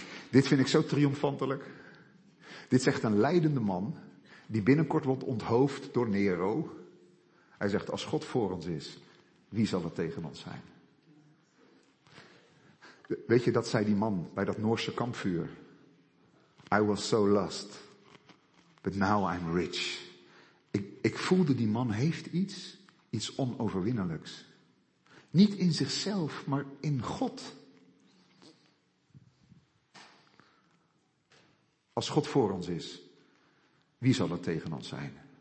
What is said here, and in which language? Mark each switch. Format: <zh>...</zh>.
<nl>Dit vind ik zo triomfantelijk. Dit zegt een lijdende man die binnenkort wordt onthoofd door Nero. Hij zegt, als God voor ons is, wie zal er tegen ons zijn? Weet je, dat zei die man bij dat Noorse kampvuur.</nl> <en>I was so lost, but now I'm rich.</en> <nl>Ik voelde, die man heeft iets onoverwinnelijks. Niet in zichzelf, maar in God. Als God voor ons is, wie zal er tegen ons zijn?</nl>